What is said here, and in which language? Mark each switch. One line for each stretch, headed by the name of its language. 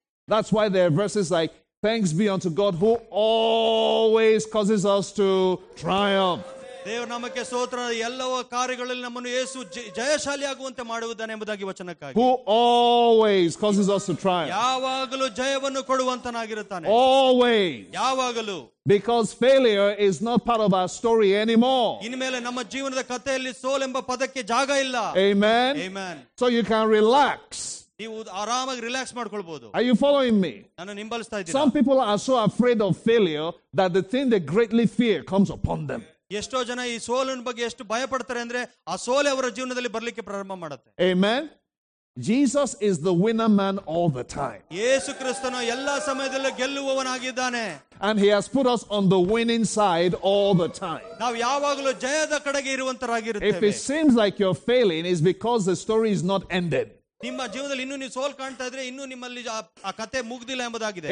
English: That's why there are verses like, thanks be unto God who always causes us to triumph.
Kannada: Dev ನಮಗೆ ಸ್ತೋತ್ರ. ಎಲ್ಲವ ಕಾರ್ಯಗಳಲ್ಲಿ ನಮ್ಮನ್ನು ಯೇಸು ಜಯಶಾಲಿ ಆಗುವಂತೆ ಮಾಡುವುದನ್ನು ಎಂಬುದಾಗಿ ವಚನಕ್ಕಾಗಿ.
English: Who always causes us to triumph.
Kannada: ಯಾವಾಗಲೂ ಜಯವನ್ನು ಕೊಡುವಂತನಾಗಿರುತ್ತಾನೆ.
English: Always.
Kannada: ಯಾವಾಗಲೂ.
English: Because failure is not part of our story anymore.
Kannada: ಇನ್ಮೇಲೆ ನಮ್ಮ ಜೀವನದ ಕಥೆಯಲ್ಲಿ ಸೋಲ್ ಎಂಬ ಪದಕ್ಕೆ ಜಾಗ ಇಲ್ಲ.
English: Amen. Amen. So you can relax.
Kannada: ನೀವು ಆರಾಮಾಗಿ ರಿಲ್ಯಾಕ್ಸ್ ಮಾಡ್ಕೊಳ್ಬಹುದು.
English: Are you following me?
Kannada: ನಾನು ನಿಂಬಲಿಸ್ತಾ ಇದ್ದೀನಿ.
English: Some people are so afraid of failure that the thing they greatly fear comes upon them.
Kannada: ಎಷ್ಟೋ ಜನ ಈ ಸೋಲಿನ ಬಗ್ಗೆ ಎಷ್ಟು ಭಯ ಪಡ್ತಾರೆ ಅಂದ್ರೆ ಆ ಸೋಲೆ ಅವರ ಜೀವನದಲ್ಲಿ ಬರ್ಲಿಕ್ಕೆ ಪ್ರಾರಂಭ ಮಾಡುತ್ತೆ. Amen.
English: Jesus is the winner man all the time.
Kannada: ಯೇಸು ಕ್ರಿಸ್ತನು ಎಲ್ಲಾ ಸಮಯದಲ್ಲೂ ಗೆಲ್ಲುವವನಾಗಿದ್ದಾನೆ.
English: And he has put us on the winning side all the time.
Kannada: ನಾವು ಯಾವಾಗಲೂ ಜಯದ ಕಡೆಗೆ ಇರುವಂತರಾಗಿರುತ್ತೇವೆ.
English: If it seems like you're failing, it's because the story is not ended.
Kannada: ನಿಮ್ಮ ಜೀವನದಲ್ಲಿ ಇನ್ನೂ ನೀವು ಸೋಲ್ ಕಾಣ್ತಾ ಇದ್ರೆ ಇನ್ನೂ ನಿಮ್ಮಲ್ಲಿ ಆ ಕತೆ ಮುಗ್ದಿಲ್ಲ ಎಂಬುದಾಗಿದೆ.